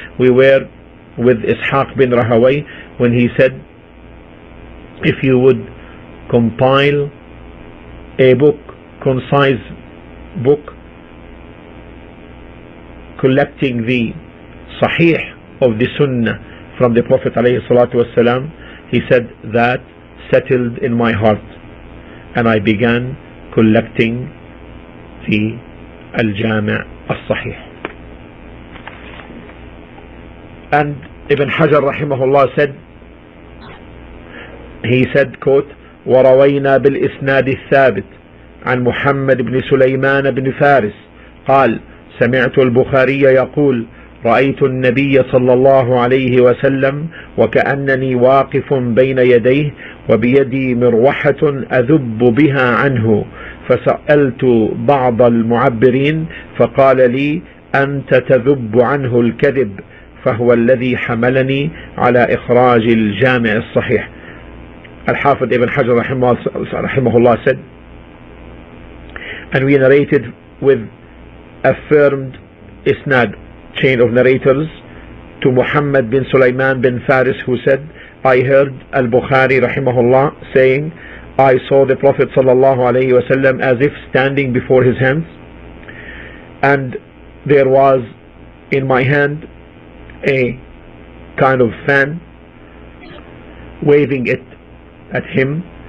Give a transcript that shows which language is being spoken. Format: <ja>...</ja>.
<en>We were with إسحاق بن راهويه when he said, if you would compile a book, concise book, collecting the صحيح of the Sunnah from the Prophet</en> <ar>عليه الصلاة والسلام.</ar> <en>He said, that settled in my heart, and I began collecting the Al-Jami' al-Sahih. And Ibn Hajar rahimahullah said, he said, quote,</en> <ar>وَرَوَيْنَا بِالْإِسْنَادِ الثَّابِتِ عَنْ مُحَمَّدِ بْنِ سُلَيْمَانَ بْنِ فَارِسِ قَالْ سَمِعْتُ الْبُخَارِيَّ يَقُولُ رأيت النبي صلى الله عليه وسلم وكأنني واقف بين يديه وبيدي مروحة أذب بها عنه فسألت بعض المعبرين فقال لي أنت تذب عنه الكذب فهو الذي حملني على إخراج الجامع الصحيح. الحافظ ابن حجر رحمه الله</ar> <en>said, and we narrated with affirmed isnad, chain of narrators, to Muhammad bin Sulaiman bin Faris, who said, I heard Al-Bukhari rahimahullah saying, I saw the Prophet sallallahu alayhi wa sallam as if standing before his hands, and there was in my hand a kind of fan, waving it at him.</en>